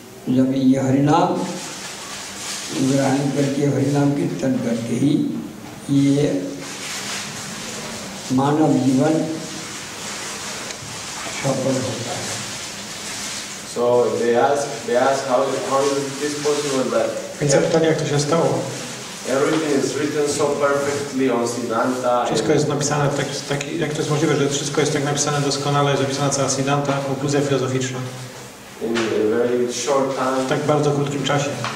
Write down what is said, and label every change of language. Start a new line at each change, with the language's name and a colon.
Hindi: जब ये हरिनाम ग्रहण करके हरिनाम कीर्तन करके ही ये मानव जीवन सफल होता है.
English: So they ask how is this possible that?
Polish: Więc pytanie, jak to się stało?
English: Everything is written so perfectly on Siddhanta.
Polish: Wszystko jest napisane tak, jak to jest możliwe, że wszystko jest tak napisane doskonale, zapisane cała Siddhanta, obuzja filozoficzna.
English: In short time.
Polish: W tak bardzo krótkim czasie.